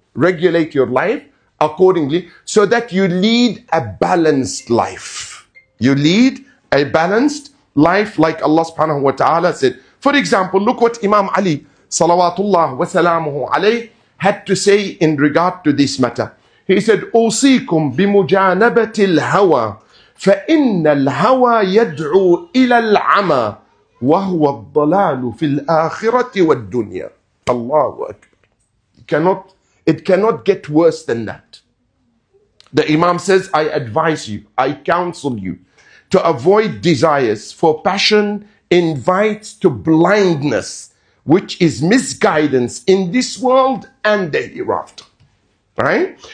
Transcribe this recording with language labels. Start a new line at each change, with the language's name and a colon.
English: Regulate your life accordingly so that you lead a balanced life. You lead a balanced life like Allah subhanahu wa ta'ala said. For example, look what Imam Ali salawatullah wa salamuhu alayhi had to say in regard to this matter. He said,
Arabic: أوصيكم بمجانبة الهوى فإن الهوى يدعو إلى العمى وهو الضلال في الآخرة والدنيا. الله أكبر.
English: It cannot get worse than that. The Imam says, I advise you, I counsel you to avoid desires, for passion invites to blindness, which is misguidance in this world and the hereafter. Right?